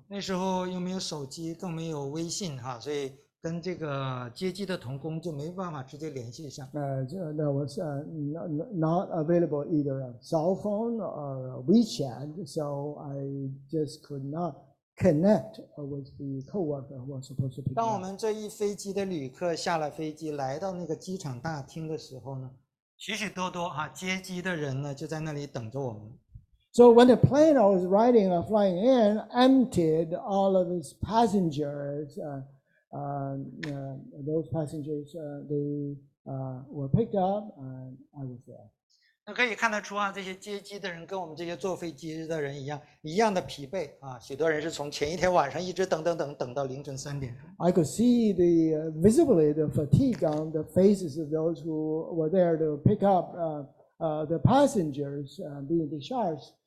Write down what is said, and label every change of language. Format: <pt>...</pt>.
<zh>那时候又没有手机，更没有微信哈，所以跟这个接机的同工就没办法直接联系上。</zh> <en>That was not available either a cell phone or a WeChat, so I just could not connect with the coworker who was supposed to be.</en> <zh>当我们这一飞机的旅客下了飞机，来到那个机场大厅的时候呢，许许多多哈接机的人呢就在那里等着我们。</zh> <en>So when the plane I was riding or flying in emptied all of its passengers, those passengers were picked up and I was there.</en> <zh>那可以看得出啊，这些接机的人跟我们这些坐飞机的人一样的疲惫啊。许多人是从前一天晚上一直等到凌晨3:00。</zh> <en>I could see the visibly the fatigue on the faces of those who were there to pick up the passengers being discharged.</en>